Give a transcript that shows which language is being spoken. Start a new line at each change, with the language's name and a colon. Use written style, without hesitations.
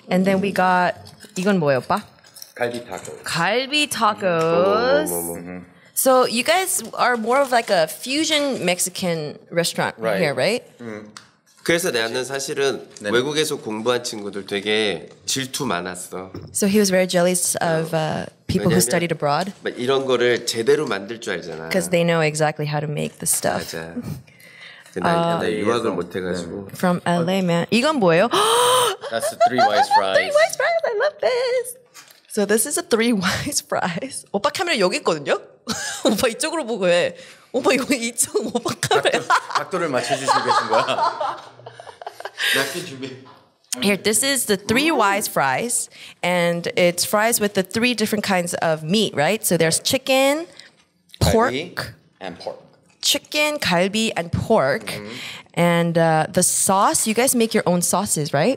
English: And then we got,
Korean: 이건 뭐예요, 오빠? 갈비 tacos.
English: 갈비 tacos. So you guys are more of like a fusion Mexican restaurant right. here, right? Mm.
Korean: 그래서 나는 사실은 네네. 외국에서 공부한 친구들 되게 질투 많았어.
English: So he was very jealous of people who studied abroad.
Korean: 이런 거를 제대로 만들 줄 알잖아.
English: Because they know exactly how to make the stuff.
Korean: 맞아. 근데 유학을 못 해가지고.
English: From LA, man.
Korean: 이건 뭐예요?
English: That's the three wise fries. Three wise fries. I love this. So this is a three wise fries.
Korean: 오빠 카메라 여기 있거든요. 오빠 이쪽으로 보고 해. 오빠 이거 이쪽 오빠 카메라. 각도를 맞춰주시고 계신 거야.
English: Here, this is the three wise fries, and it's fries with the three different kinds of meat, right? So there's chicken, pork, galbi, and pork, and the sauce. You guys make your own sauces, right?